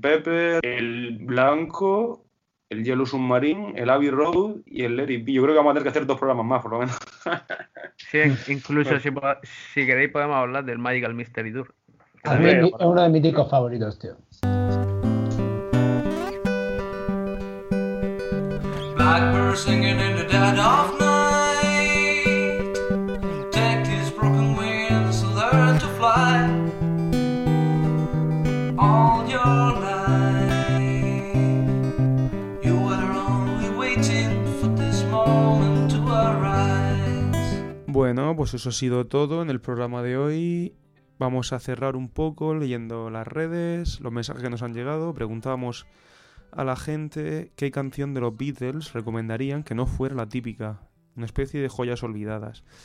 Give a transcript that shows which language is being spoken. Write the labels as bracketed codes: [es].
[es] Pepper, el Blanco, el Yellow Submarine, el Abbey Road y el Let It Be. Yo creo que vamos a tener que hacer dos programas más, por lo menos. Sí, incluso si queréis podemos hablar del Magical Mystery Tour. A mí es uno de mis discos favoritos, tío. [en] Blackbird singing in the dead of night. Take his broken wings and learn to fly. All your life. You were only waiting for this moment to arise. [es] Bueno, pues eso ha sido todo en el programa de hoy. Vamos a cerrar un poco leyendo las redes, los mensajes que nos han llegado. Preguntábamos a la gente qué canción de los Beatles recomendarían que no fuera la típica, una especie de joyas olvidadas.